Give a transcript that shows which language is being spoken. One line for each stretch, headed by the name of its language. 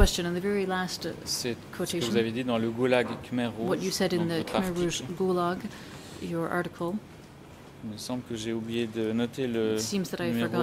French: ce que vous avez dit dans le Goulag Khmer Rouge,
English: what you said in the Khmer Rouge Goulag, your article.
French: Il me semble que j'ai oublié de noter le numéro